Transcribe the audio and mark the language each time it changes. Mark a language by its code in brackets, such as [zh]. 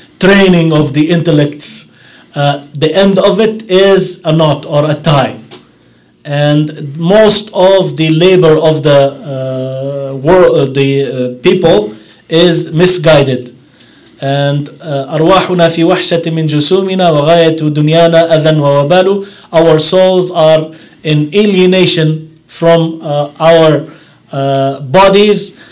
[en] Training of the intellects, the end of it is a knot or a tie, and most of the labor of the world, the people, is misguided. [ar] And أرواحنا في وحشة من جسومنا وغاية دنيانا أذن ووبال. [en] Our souls are in alienation from our bodies.